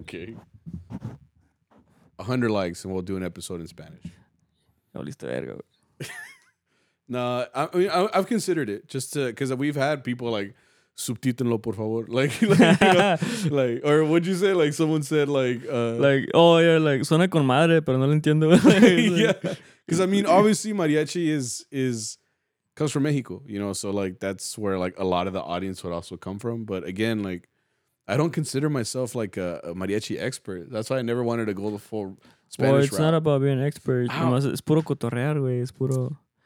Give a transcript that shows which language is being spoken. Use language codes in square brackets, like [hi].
[en] Okay. 100 likes and we'll do an episode in Spanish. [es] No, listo, ergo. [en] No, I mean, I've considered it just to, because we've had people like, [es] subtítenlo, por favor. [en] Like, you know, like, or what'd you say? Like, someone said, like, oh, yeah, like, [es] suena con madre, pero no lo entiendo. [en] Yeah. Because, I mean, obviously, mariachi is comes from Mexico, you know, so, like, that's where, like, a lot of the audience would also come from. But again, like, I don't consider myself, like, a mariachi expert. That's why I never wanted to go the full Spanish route. Well, it's not about being an expert. It's [es] puro cotorrear, güey. [en] It's puro.